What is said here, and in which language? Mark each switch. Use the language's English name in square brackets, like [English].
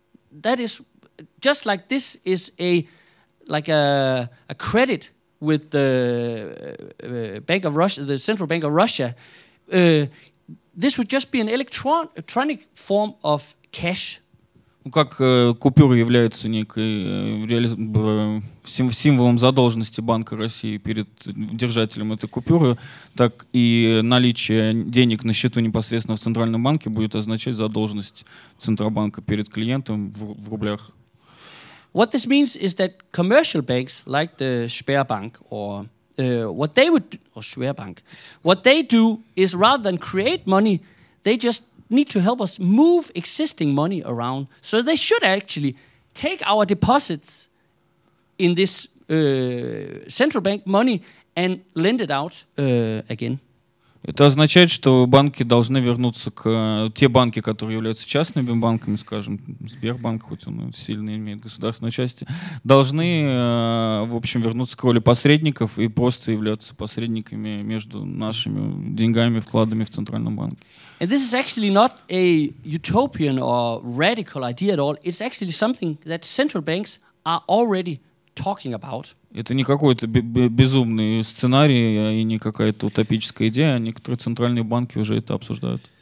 [English] That is just like this is a credit with the Bank of Russia, the Central Bank of Russia. This would just be an electronic form of cash. [Russian] Как купюра является некой символом задолженности Банка России перед держателем этой купюры, так и наличие денег на счету непосредственно в Центральном банке будет означать задолженность Центробанка перед клиентом в рублях. [English] What this means is that commercial banks, like the Sberbank or what they do is rather than create money, they just need to help us move existing money around. So they should actually take our deposits in this central bank money and lend it out again. [Russian] Это означает, что банки должны вернуться к те банки, которые являются частными банками, скажем, Сбербанк, хоть он сильно имеет государственное участие, должны, в общем, вернуться к роли посредников и просто являться посредниками между нашими деньгами, вкладами в Центральном банке. [English] And this is actually not a utopian or radical idea at all. It's actually something that central banks are already talking about. [Russian] Это не какой-то безумный сценарий и не какая-то утопическая идея. Некоторые центральные банки уже это обсуждают.